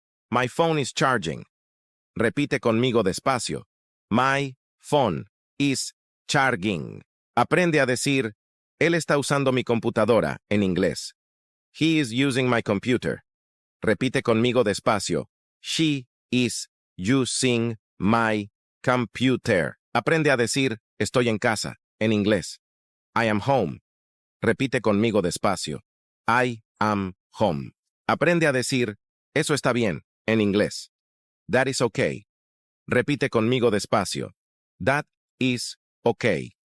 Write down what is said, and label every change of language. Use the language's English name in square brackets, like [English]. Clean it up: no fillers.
[English] My phone is charging. [Spanish] Repite conmigo despacio. [English] My phone is charging. [Spanish] Aprende a decir, él está usando mi computadora, en inglés. [English] He is using my computer. [Spanish] Repite conmigo despacio. [English] She is using my computer. [Spanish] Aprende a decir, estoy en casa, en inglés. [English] I am home. [Spanish] Repite conmigo despacio. [English] I am home. [Spanish] Aprende a decir, eso está bien, en inglés. [English] That is okay. [Spanish] Repite conmigo despacio. [English] That is okay.